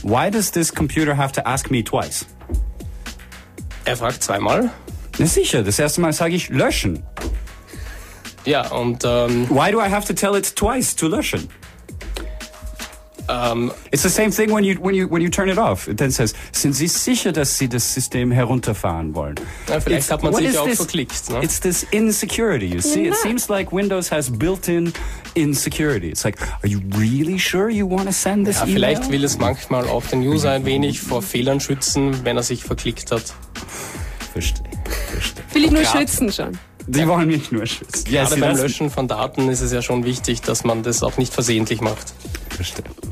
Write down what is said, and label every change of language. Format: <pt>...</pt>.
<en>Why does this computer have to ask me twice?</en> <de>Er fragt zweimal. Na sicher, das erste Mal sage ich löschen. Ja, und</de> <en>why do I have to tell it twice to löschen? It's the same thing when you turn it off. It then says,</en> <de>sind Sie sicher, dass Sie das System herunterfahren wollen? Ja, vielleicht hat man sich auch verklickt. Ne?</de> <en>It's this insecurity, you see? It seems like Windows has built-in insecurity. It's like, are you really sure you want to send this email?</en> <de>Vielleicht will es manchmal auch den User ein wenig vor Fehlern schützen, wenn er sich verklickt hat. Verstehe. Will ich nur schützen schon. Die wollen mich nur schützen. Yes, gerade beim Löschen von Daten ist es ja schon wichtig, dass man das auch nicht versehentlich macht. Verstehe.</de>